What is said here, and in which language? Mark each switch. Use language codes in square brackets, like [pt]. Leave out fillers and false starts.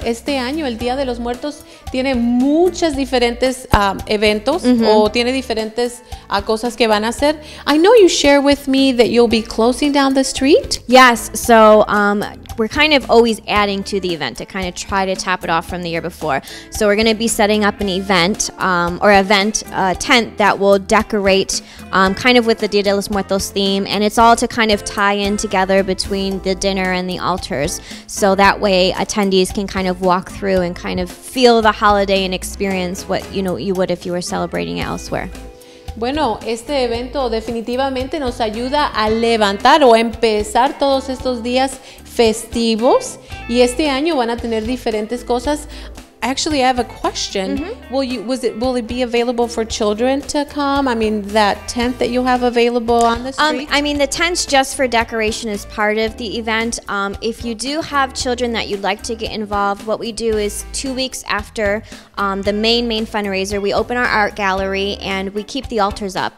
[es] Este año, el Día de los Muertos, tiene muchas diferentes eventos mm-hmm. o tiene diferentes cosas que van a hacer. [en] I know you share with me that you'll be closing down the street. Yes. So we're kind of always adding to the event to kind of try to top it off from the year before. So we're going to be setting up an event tent that will decorate kind of with the Día de los Muertos theme. And it's all to kind of tie in together between the dinner and the altars. So that way attendees can kind of walk through and kind of feel the holiday and experience what, you know, you would if you were celebrating it elsewhere. [es] Bueno, este evento definitivamente nos ayuda a levantar o empezar todos estos días festivos. Y este año van a tener diferentes cosas. [en] Actually, I have a question. Mm-hmm. Will it be available for children to come? I mean, that tent that you have available on the street? I mean, the tent's just for decoration is part of the event. If you do have children that you'd like to get involved, what we do is 2 weeks after the main fundraiser, we open our art gallery and we keep the altars up.